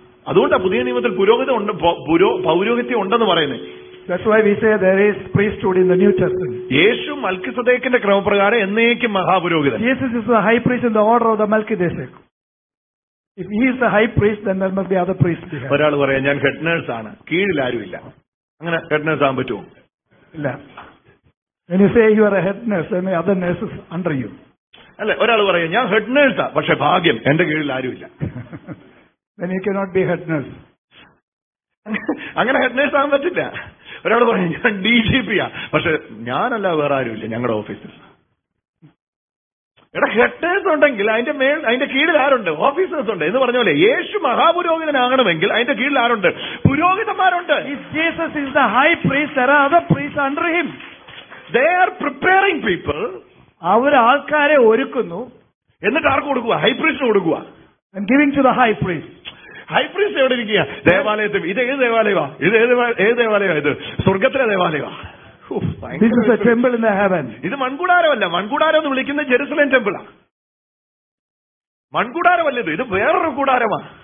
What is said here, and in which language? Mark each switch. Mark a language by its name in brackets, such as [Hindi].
[Malayalam] അതുകൊണ്ടാ പുതിയ നിയമത്തിൽ പുരോഗതി ഉണ്ട് പൗരോഹിത്യം ഉണ്ടെന്ന് പറയുന്നത് [English] That's why we say there is priesthood in the New Testament. [Malayalam] യേശു മൽക്കിസദേക്കിന്റെ ക്രമപ്രകാരം എന്നേക്കും മഹാപുരോഹിതൻ. [English] Jesus is the high priest in the order of the Melchizedek. If he is the high priest, then there must be other priests. [Malayalam] ഒരാൾ പറയാം ഞാൻ ഹെഡ്നേഴ്സ് ആണ് കീഴിൽ ആരുമില്ല അങ്ങനെ ഹെഡ്നേഴ്സ് ആകാൻ പറ്റുമോ ഇല്ല [English] When you say you are a head nurse, then the other nurses under you. [Malayalam] അല്ല ഒരാൾ പറയാം ഞാൻ ഹെഡ് നേഴ്സ് ആ പക്ഷെ ഭാഗ്യം എന്റെ കീഴിൽ ആരുമില്ല [English] Then you cannot be head nurse. [Malayalam] അങ്ങനെ ഹെഡ് നേഴ്സ് ആകാൻ പറ്റില്ല ഒരാൾ പറയും ഞാൻ DGP ആ പക്ഷെ ഞാനല്ല വേറെ ആരുമില്ല ഞങ്ങളുടെ ഓഫീസിൽ എടാ ഹെഡ് നേഴ്സ് ഉണ്ടെങ്കിൽ അതിന്റെ മേൽ അതിന്റെ കീഴിൽ ആരുണ്ട് ഓഫീസേഴ്സ് ഉണ്ട് എന്ന് പറഞ്ഞ പോലെ യേശു മഹാപുരോഹിതനാകണമെങ്കിൽ അതിന്റെ കീഴിൽ ആരുണ്ട് പുരോഹിതന്മാരുണ്ട് [English] If Jesus is the high priest, there are other priests under him. They are preparing people. [Malayalam] അവർ ആൾക്കാരെ ഒരുക്കുന്നു എന്നിട്ട് ആർക്ക് കൊടുക്കുക ഹൈപ്രീസ്റ്റിന് കൊടുക്കുക [English] And giving to the high priest. [Malayalam] High priest എവിടെ ഇരിക്കുക ദേവാലയത്തിൽ ഇത് ഏത് ദേവാലയമാ ഇത് ഏത് ദേവാലയമാ ഇത് സ്വർഗത്തിലെ ദേവാലയമാ [English] This is a temple in the heaven. [Malayalam] ഇത് മൺകൂടാരമല്ല മൺകൂടാരം എന്ന് വിളിക്കുന്ന ജെറുസലേം ടെമ്പിളാ മൺകൂടാരമല്ല ഇത് വേറൊരു കൂടാരമാ